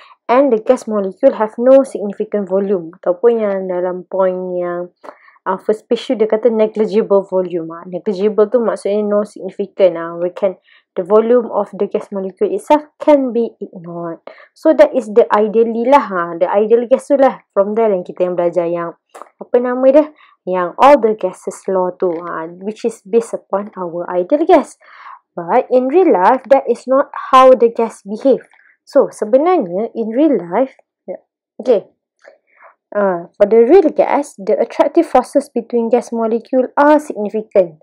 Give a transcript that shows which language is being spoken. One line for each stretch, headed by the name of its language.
English: And the gas molecule have no significant volume.
Malay: Ataupun yang dalam point yang first page dia kata negligible volume.
English: Negligible
Malay: tu maksudnya
English: no significant. The volume of the gas molecule itself can be ignored. So that is the ideally lah. The ideal gas tu lah. From there
Malay: yang kita yang belajar yang apa nama dia?
English: Yang all the gases law tu, which is based upon our ideal gas. But in real life, that is not how the gas behave. So, sebenarnya, in real life, for the real gas, the attractive forces between gas molecule are significant.